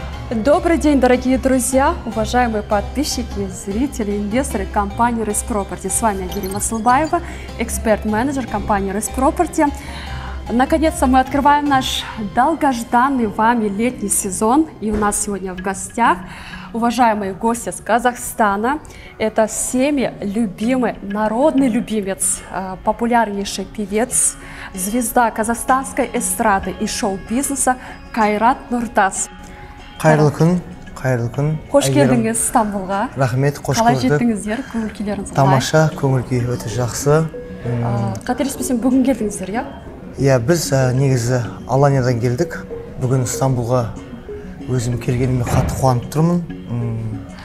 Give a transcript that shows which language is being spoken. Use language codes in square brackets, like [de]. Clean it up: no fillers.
[ru] Добрый день, дорогие друзья, уважаемые подписчики, зрители, инвесторы компании Risk Property. С вами Агирима Слубаева, эксперт-менеджер компании Risk Property. Наконец-то мы открываем наш долгожданный вами летний сезон. И у нас сегодня в гостях уважаемые гости с Казахстана. Это всеми любимый, народный любимец, популярнейший певец, звезда казахстанской эстрады и шоу-бизнеса Кайрат Нуртас. [kk] Қайырлы күн, қайырлы күн. Қош келдіңіз Стамбулға. Рахмет, қош келдіңіз. Қалай жеттіңіздер, көңіл күйлеріңіз? Тамаша, көңіл күй өте жақсы. Қателеспесем, бүгін келдіңіздер, я? Иә, біз негізі Аланиядан келдік. Бүгін Стамбулға өзім келгеніме қатты қуанып тұрмын.